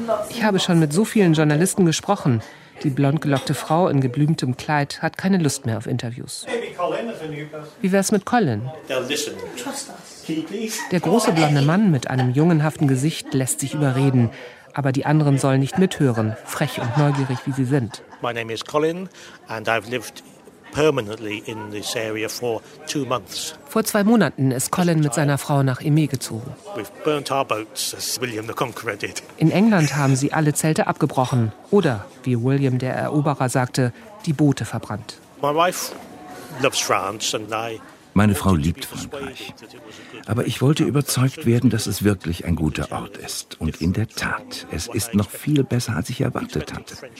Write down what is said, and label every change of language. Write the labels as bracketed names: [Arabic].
[German] Ich habe schon mit so vielen Journalisten gesprochen. Die blondgelockte Frau in geblümtem Kleid hat keine Lust mehr auf Interviews. Wie wär's mit Colin? Der große blonde Mann mit einem jungenhaften Gesicht lässt sich überreden. Aber die anderen sollen nicht mithören, frech und neugierig, wie sie sind. [English] My name is Colin and I've lived permanently in this area for 2 months. [German] Vor 2 Monaten ist Colin mit seiner Frau nach Aimé gezogen. [English] We've burnt our boats, as William the Conqueror did. [German] In England haben sie alle Zelte abgebrochen oder, wie William der Eroberer sagte, die Boote verbrannt. [English] My wife loves France and I. [German] Meine Frau liebt Frankreich. Aber ich wollte überzeugt werden, dass es wirklich ein guter Ort ist. Und in der Tat, es ist noch viel besser, als ich erwartet hatte.